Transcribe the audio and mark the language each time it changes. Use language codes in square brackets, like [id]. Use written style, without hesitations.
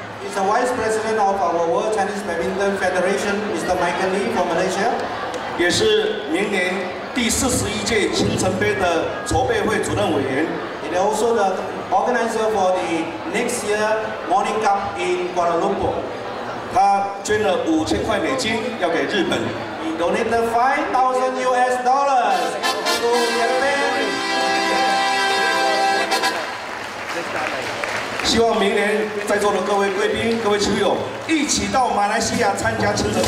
[en] He's the Vice President of our World Chinese Badminton Federation, Mr. Michael Lee from Malaysia. [zh] 也是明年第41届青城杯的筹备会主任委员。 [en] And also the organizer for the next year Morning Cup in Kuala Lumpur. [zh] 他捐了5,000块美金，要给日本。 [en] He donated $5,000. [zh] 希望明年在座的各位贵宾、各位球友一起到马来西亚参加青城杯。